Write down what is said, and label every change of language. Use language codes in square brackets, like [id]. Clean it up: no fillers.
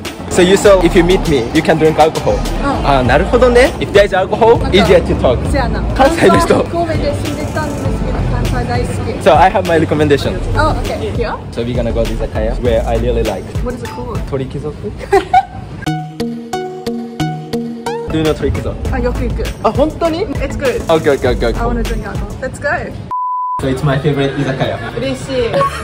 [en] So you saw if you meet me, you can drink alcohol. [ja] あ、なるほどね。 [en] If there's alcohol, easier to talk. [ja] せやな。関西の人。神戸で住んでたんですけど、関西大好き。 [en] So I have my recommendation. Oh, okay. Here? So we're gonna go to izakaya where I really like. What is it called? [ja] 鳥貴族。 [en] Do you know Torikizo? Ah, you go. Ah, really? It's good. Okay, okay, okay. I want to drink alcohol. Let's go. So it's my favorite izakaya. [ja] Urishii.